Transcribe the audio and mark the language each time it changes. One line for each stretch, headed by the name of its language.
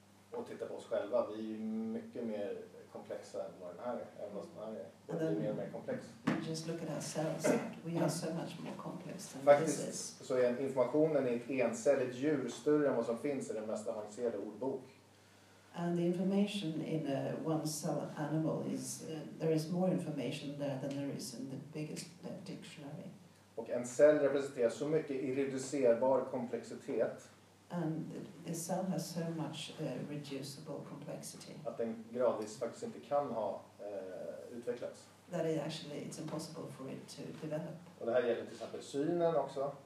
Swedish: Och titta på oss själva, vi är mycket mer komplexa än vad den här är. Vi är mer och mer komplex.
English: Just look at ourselves, we are so much more complex than this is.
Swedish: Så är informationen i ett encelligt djur större än vad som finns i den mest avancerade ordbok.
English: And the information in a one cell animal is, there is more information there than there is in the biggest dictionary.
Swedish: Och en cell representerar så mycket irreducerbar komplexitet.
English: And the cell has so much reducible complexity.
Swedish: Att den gradvis faktiskt inte kan ha utvecklats.
English: That it actually, it's impossible for it to develop.
Swedish: Och det här gäller till exempel synen också.